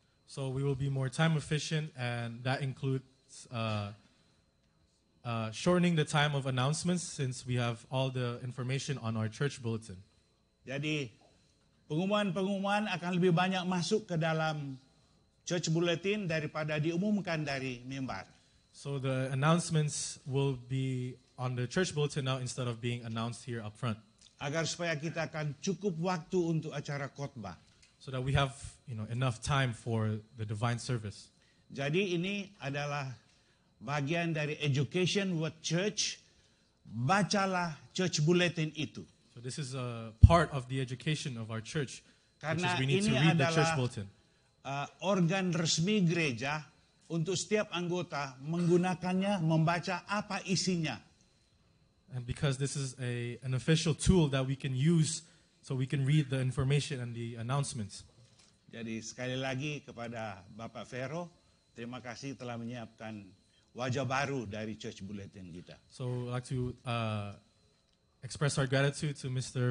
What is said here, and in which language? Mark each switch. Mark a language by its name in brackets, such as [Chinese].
[English] So we will be more time efficient, and that includes shortening the time of announcements since we have all the information on our church bulletin. [Indonesian] Jadi pengumuman-pengumuman akan lebih banyak masuk ke dalam church bulletin daripada diumumkan dari mimbar. [English] So the announcements will be on the church bulletin now instead of being announced here up front. [Indonesian] Agar supaya kita akan cukup waktu untuk acara khotbah. [English] So that we have, you know, enough time for the divine service. [Indonesian] Jadi ini adalah bagian dari [English] education with church. [Indonesian] Bacalah church bulletin itu. [English] So this is a part of the education of our church. [Indonesian] Karena [English] which is we need to read the church bulletin. [Indonesian] Organ resmi gereja untuk setiap anggota menggunakannya, membaca apa isinya. [English] And because this is an official tool that we can use so we can read the information and the announcements. [Indonesian] Jadi sekali lagi kepada Bapak Vero, terima kasih telah menyiapkan wajah baru dari church bulletin kita. [English] So I'd like to express our gratitude to Mr.